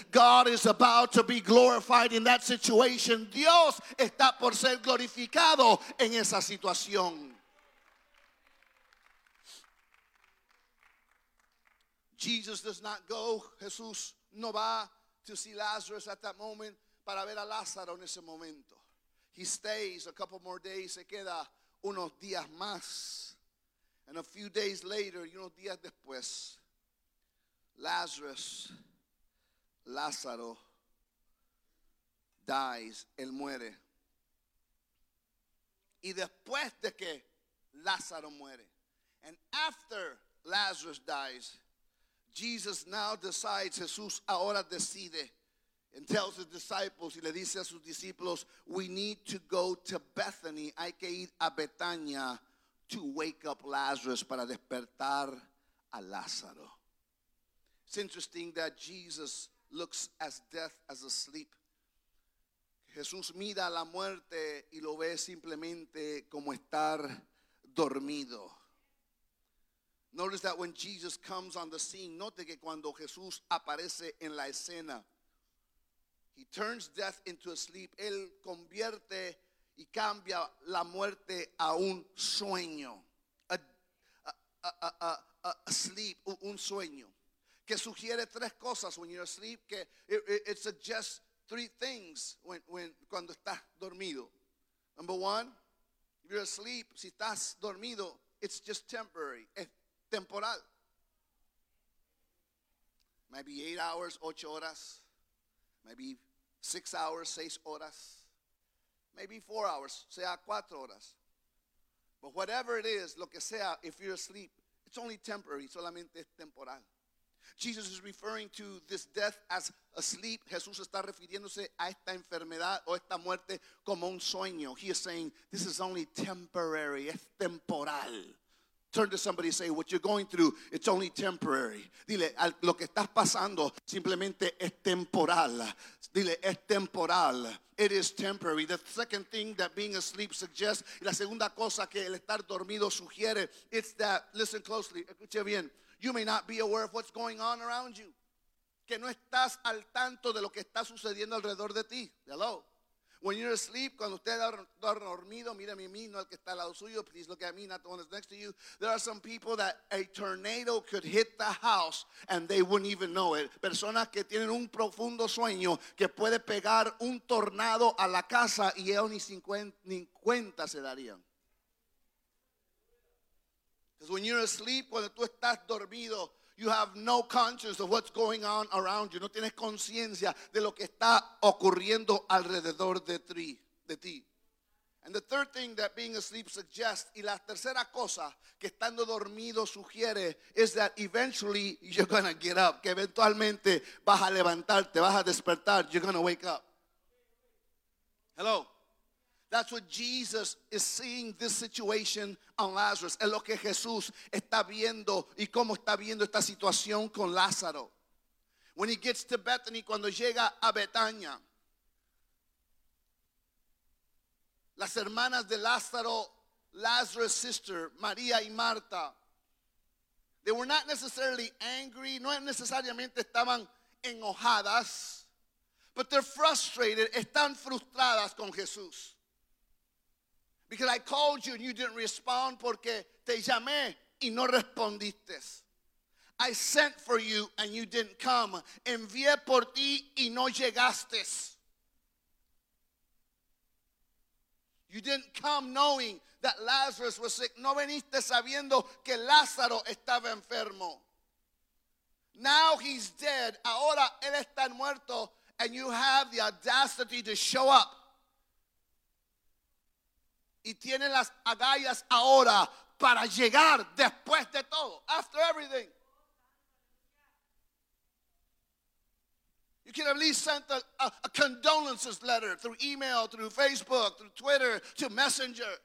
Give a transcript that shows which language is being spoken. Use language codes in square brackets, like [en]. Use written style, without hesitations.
[en] God is about to be glorified in that situation. [es] Dios está por ser glorificado en esa situación. [en] Jesus does not go. [es] Jesús no va [en] to see Lazarus at that moment [es] para ver a Lázaro en ese momento. [en] He stays a couple more days. [es] Se queda unos días más. [en] And a few days later, you know, [es] días después, [en] Lázaro dies, [es] él muere. Y después de que Lázaro muere, [en] and after Lazarus dies, Jesus now decides, [es] Jesús ahora decide, [en] and tells his disciples, [es] y le dice a sus discípulos, [en] we need to go to Bethany, [es] hay que ir a Betania, [en] to wake up Lazarus, [es] para despertar a Lázaro. [en] It's interesting that Jesus looks as death as asleep. [es] Jesús mira a la muerte y lo ve simplemente como estar dormido. [en] Notice that when Jesus comes on the scene, [es] note que cuando Jesús aparece en la escena, [en] he turns death into a sleep. [es] Él convierte y cambia la muerte a un sueño, [en] a sleep, [es] un sueño, que sugiere tres cosas [en] when you're asleep, [es] que [en] it suggests three things when [es] cuando estás dormido. [en] Number one, if you're asleep, [es] si estás dormido, [en] it's just temporary, [es] es temporal. [en] Maybe 8 hours, [es] 8 horas, [en] maybe 6 hours, [es] 6 horas. [en] Maybe 4 hours, [es] sea 4 horas. [en] But whatever it is, [es] lo que sea, [en] if you're asleep, it's only temporary, [es] solamente es temporal. [en] Jesus is referring to this death as asleep. [es] Jesús está refiriéndose a esta enfermedad o esta muerte como un sueño. [en] He is saying, this is only temporary, [es] es temporal. [en] Turn to somebody and say, what you're going through, it's only temporary. [es] Dile, lo que estás pasando simplemente es temporal. Dile, es temporal. [en] It is temporary. The second thing that being asleep suggests, [es] y la segunda cosa que el estar dormido sugiere, [en] it's that, listen closely, [es] escuche bien, [en] you may not be aware of what's going on around you. [es] Que no estás al tanto de lo que está sucediendo alrededor de ti. [en] Hello. When you're asleep, [es] cuando usted está dormido, mírame a mí, no al que está al lado suyo. [en] Please look at me, not the one that's next to you. There are some people that a tornado could hit the house and they wouldn't even know it. [es] Personas que tienen un profundo sueño que puede pegar un tornado a la casa y ellos ni cuenta se darían. [en] Because when you're asleep, [es] cuando tú estás dormido, [en] you have no conscience of what's going on around you. [es] No tienes conciencia de lo que está ocurriendo alrededor de ti. [en] And the third thing that being asleep suggests, [es] y la tercera cosa que estando dormido sugiere, [en] is that eventually you're going to get up. [es] Que eventualmente vas a levantarte, vas a despertar. [en] You're going to wake up. Hello. That's what Jesus is seeing this situation on Lazarus. [es] Es lo que Jesús está viendo y cómo está viendo esta situación con Lázaro. [en] When he gets to Bethany, [es] cuando llega a Betania, las hermanas de Lázaro, [en] Lazarus' sister, [es] María y Marta, [en] they were not necessarily angry, [es] no necesariamente estaban enojadas, [en] but they're frustrated, [es] están frustradas con Jesús. [en] Because I called you and you didn't respond, [es] porque te llamé y no respondiste. [en] I sent for you and you didn't come. [es] Envié por ti y no llegaste. [en] You didn't come knowing that Lazarus was sick. [es] No veniste sabiendo que Lázaro estaba enfermo. [en] Now he's dead. [es] Ahora él está muerto. [en] and you have the audacity to show up. [es] Y tiene las agallas ahora para llegar después de todo, [en] after everything. You can at least send a condolences letter through email, through Facebook, through Twitter, to Messenger.